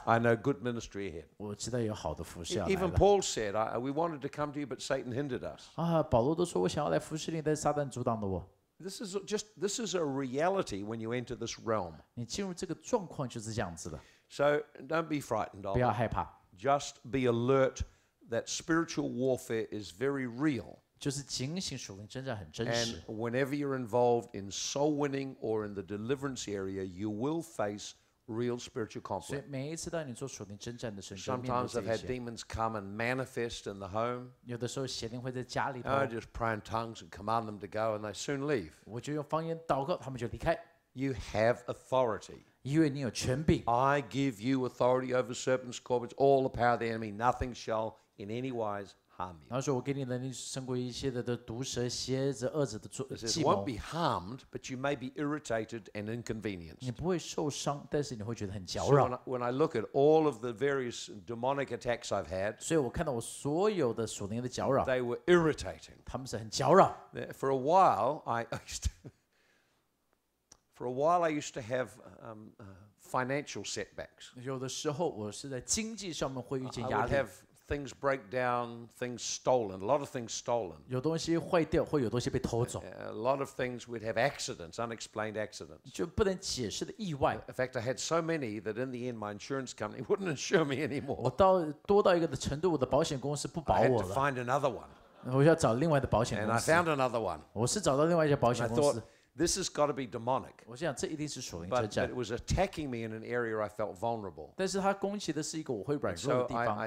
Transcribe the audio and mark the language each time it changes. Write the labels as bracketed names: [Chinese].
[English] I know good ministry ahead. [Chinese] 我知道有好的服事要来了 [English] Even Paul said, we wanted to come to you, but Satan hindered us. [Chinese] 保罗都说我想要来服事你但撒旦阻挡了我 [English] This is a reality when you enter this realm. [Chinese] 你进入这个状况就是这样子的。 [English] So don't be frightened. [Chinese] 不要害怕。 [English] Just be alert that spiritual warfare is very real. [Chinese] 就是警醒属灵征战很真实。 [English] And whenever you're involved in soul winning or in the deliverance area, you will face real spiritual conflict. [Chinese] 所以每一次当你做属灵征战的时候 [English] Sometimes I've had demons come and manifest in the home. [Chinese] 有的时候邪灵会在家里。 [English] I just pray in tongues and command them to go and they soon leave. [Chinese] 我就用方言祷告他们就离开。 [English] You have authority. [Chinese] 因为你有权柄。 [English] I give you authority over serpents, scorpions, all the power of the enemy. Nothing shall in any wise harm you. [Chinese] 他说我给你能力胜过一切的毒蛇、蝎子、恶者的计谋。 [English] It won't be harmed, but you may be irritated and inconvenienced. [Chinese] 你不会受伤，但是你会觉得很搅扰。 [English] So when I look at all of the various demonic attacks I've had, [Chinese] 所以我看到我所有的属灵的搅扰。 [English] They were irritating. [Chinese] 他们是很搅扰。 [English] For a while, I used to have financial setbacks. [Chinese] 有的时候我是在经济上面会遇见压力。 [English] Things break down, things stolen, a lot of things stolen. [Chinese] 有东西坏掉，或有东西被偷走。 [English] A lot of things we'd have accidents, unexplained accidents. [Chinese] 就不能解释的意外。 [English] In fact, I had so many that in the end, my insurance company wouldn't insure me anymore. [Chinese] 我到多到一个的程度，我的保险公司不保我了。 [English] I had to find another one. [Chinese] 我要找另外的保险公司。 [English] And I found another one. [Chinese] 我是找到另外一家保险公司。 [English] This has got to be demonic. [Chinese] 我想这一定是属灵征战。 [English] But it was attacking me in an area I felt vulnerable. [Chinese] 但是它攻击的是一个我会软弱的地方。